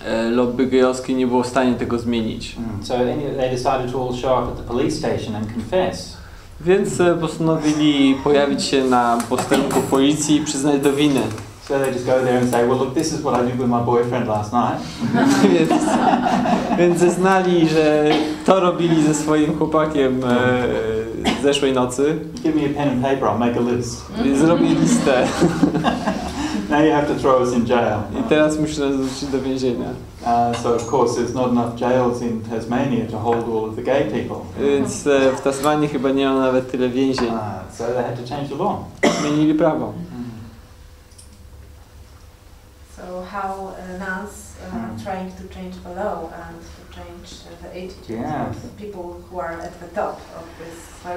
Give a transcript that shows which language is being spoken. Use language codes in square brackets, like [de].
[pl] Lobby gejowskie nie było w stanie tego zmienić. [en] So they decided to all show up at the police station and confess. [pl] Więc postanowili pojawić się na posterunku policji i przyznać do winy. [en] So they just go there and say, well, look, this is what I did with my boyfriend last night. [pl] Więc zeznali, że to robili ze swoim chłopakiem zeszłej nocy. [en] Give me a pen and paper, I'll make a list. [pl] Zrobię listę. [en] Now you have to throw us in jail. [pl] I teraz muszę nas wrzucić do więzienia. [en] So of course there's not enough jails in Tasmania to hold all of the gay people. [pl] Więc w Tasmanii chyba nie ma nawet tyle więzień. [en] So they had to change the law. [pl] Zmienili prawo. [en] So how nuns trying to change the law and to change the attitude of the people who are at the top of this.